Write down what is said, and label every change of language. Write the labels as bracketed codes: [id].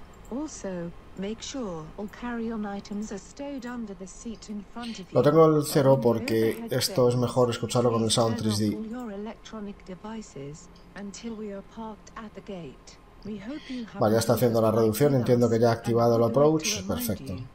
[en] Also, make sure all carry-on items are stowed under the seat in front of you. [es] Lo tengo el cero porque esto es mejor escucharlo con el sound 3D. [en] All your electronic devices until we are parked at the gate. [es] Vale, ya está haciendo la reducción, entiendo que ya ha activado el approach, perfecto.